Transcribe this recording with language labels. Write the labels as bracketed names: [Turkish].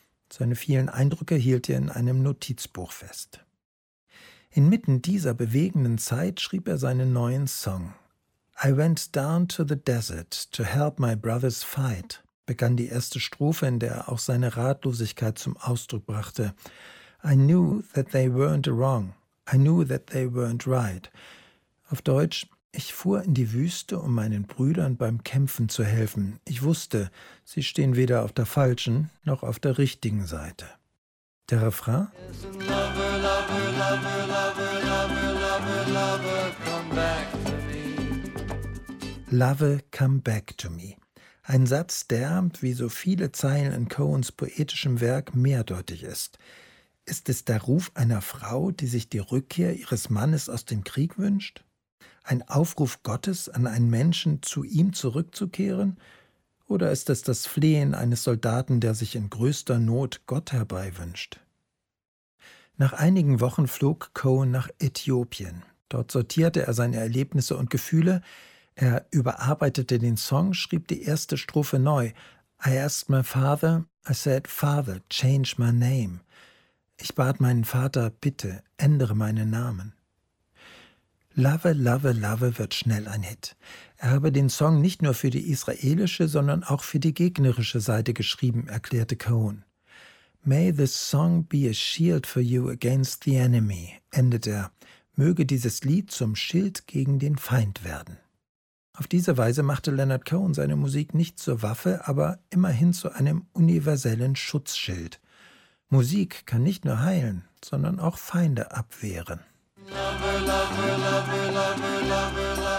[German] Seine vielen Eindrücke hielt er in einem Notizbuch fest. Inmitten dieser bewegenden Zeit schrieb er seinen neuen Song. » [English] I went down to the desert to help my brothers fight«, [German] begann die erste Strophe, in der er auch seine Ratlosigkeit zum Ausdruck brachte. [English] »I knew that they weren't wrong. I knew that they weren't right.« [German] Auf Deutsch, »Ich fuhr in die Wüste, um meinen Brüdern beim Kämpfen zu helfen. Ich wusste, sie stehen weder auf der falschen noch auf der richtigen Seite.« Der Refrain? [English] Love, come back to me. [German] Ein Satz, der, wie so viele Zeilen in Cohens poetischem Werk, mehrdeutig ist. Ist es der Ruf einer Frau, die sich die Rückkehr ihres Mannes aus dem Krieg wünscht? Ein Aufruf Gottes an einen Menschen, zu ihm zurückzukehren? Oder ist es das Flehen eines Soldaten, der sich in größter Not Gott herbeiwünscht? Nach einigen Wochen flog Cohen nach Äthiopien. Dort sortierte er seine Erlebnisse und Gefühle. Er überarbeitete den Song, schrieb die erste Strophe neu. [English] I asked my father, I said, father, change my name. [German] Ich bat meinen Vater, bitte, ändere meinen Namen. Love, love, love wird schnell ein Hit. Er habe den Song nicht nur für die israelische, sondern auch für die gegnerische Seite geschrieben, erklärte Cohen. [English] May this song be a shield for you against the enemy, endet er. [German] Möge dieses Lied zum Schild gegen den Feind werden. Auf diese Weise machte Leonard Cohen seine Musik nicht zur Waffe, aber immerhin zu einem universellen Schutzschild. Musik kann nicht nur heilen, sondern auch Feinde abwehren. Love, love, love, love, love, love.